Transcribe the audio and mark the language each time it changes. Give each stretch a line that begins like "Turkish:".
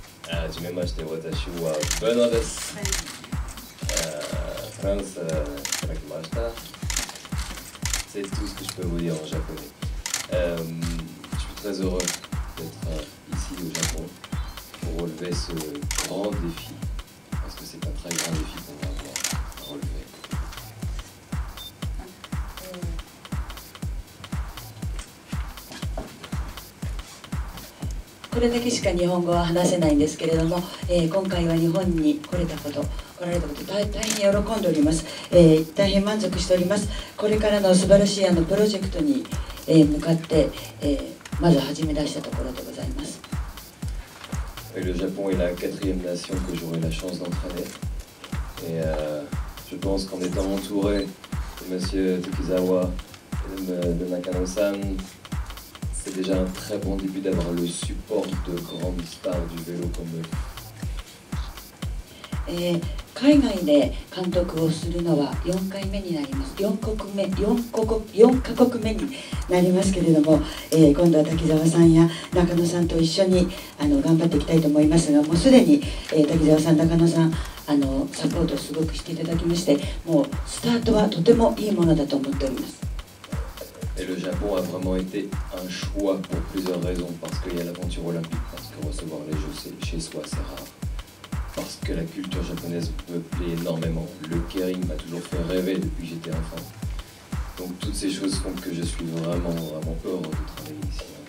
Japanese: はじめまして、私はブノです。フランスから来ました。
French: C'est tout ce que je peux vous dire en japonais. Je suis très heureux d'être ici au Japon pour relever ce grand défi, parce que c'est un très grand défi qu'on va avoir à relever.
Japanese: これだけしか日本語は話せないんですけれども、今回は日本に来れたこと、来られたこと、大変喜んでおります。大変満足しております。これからの素晴らしいプロジェクトに向かって、まず始め出したところでございます。
French: Avec le Japon est la quatrième nation que j'aurai la chance d'entraîner. Et je pense qu'en étant entouré de M. Tokizawa et de Nakano-san, c'est déjà un très bon début d'avoir le support de grandes stars du vélo comme eux.
Japanese: 海外で監督をするのは4回目になります。 4カ国目になりますけれども、今度は滝沢さんや中野さんと一緒に頑張っていきたいと思いますが、もうすでに、滝沢さん中野さんサポートをすごくしていただきまして、もうスタートはとてもいいものだと思っております。
French: Et le Japon a vraiment été un choix pour plusieurs raisons, parce qu'il y a l'aventure olympique, parce que recevoir les jeux chez soi c'est rare. Parce que la culture japonaise me plaît énormément. Le kering m'a toujours fait rêver depuis que j'étais enfant. Donc toutes ces choses font que je suis vraiment, vraiment heureux de travailler ici.